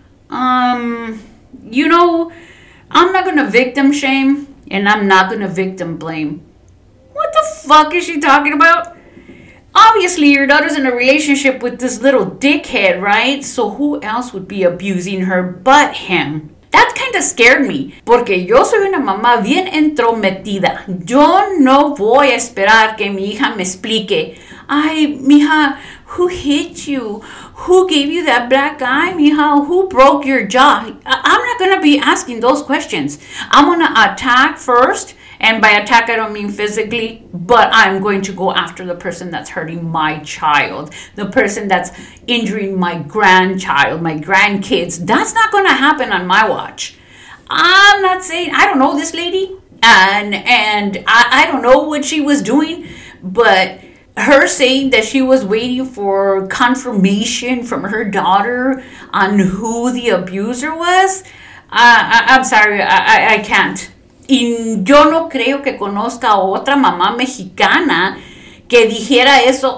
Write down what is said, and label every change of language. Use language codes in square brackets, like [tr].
[en] You know, I'm not gonna victim shame and I'm not gonna victim blame. What the fuck is she talking about? Obviously, your daughter's in a relationship with this little dickhead, right? So who else would be abusing her but him? That kind of scared me. [es] Porque yo soy una mamá bien entrometida. Yo no voy a esperar que mi hija me explique. Ay, mija, [en] who hit you? Who gave you that black eye, mija? Who broke your jaw? I'm not going to be asking those questions. I'm going to attack first. And by attack, I don't mean physically, but I'm going to go after the person that's hurting my child, the person that's injuring my grandchild, my grandkids. That's not going to happen on my watch. I'm not saying, I don't know this lady, and I don't know what she was doing, but her saying that she was waiting for confirmation from her daughter on who the abuser was, I'm sorry, I can't. [es] Y yo no creo que conozca a otra mamá mexicana que dijera eso.